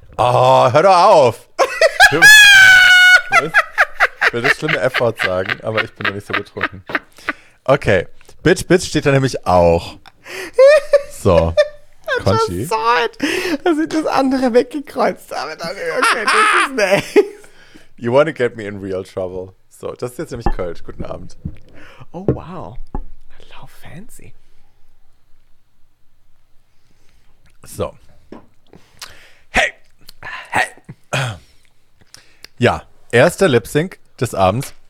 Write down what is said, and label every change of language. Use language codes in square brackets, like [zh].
[de] Oh, hör doch auf! Ich will das schlimme F-Wort sagen, aber ich bin noch nicht so betrunken. Okay. Bitch, Bitch steht da nämlich auch. So. [en] Conchi. I just saw it. [de] Da sind das andere weggekreuzt. Aber dann, [en] okay, this is nice. You wanna get me in real trouble. [de] So, das ist jetzt nämlich Kölsch. Guten Abend. [en] Oh, wow. How fancy. [de] So. Hey. Hey. Ja, erster Lip-Sync des Abends.